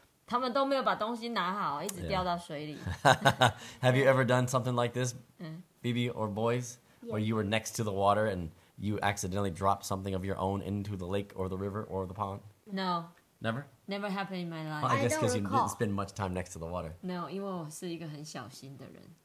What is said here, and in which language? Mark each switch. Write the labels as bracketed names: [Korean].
[Chinese] 他们都没有把东西拿好，一直掉到水里。 [English] Have you ever done something like this? Phoebe or boys, where you were next to the water and you accidentally dropped something of your own into the lake or the river or the pond? No. Never? Never happened in my life. Well, I guess because you didn't spend much time next to the water. [Chinese] No, 因为我是一个很小心的人。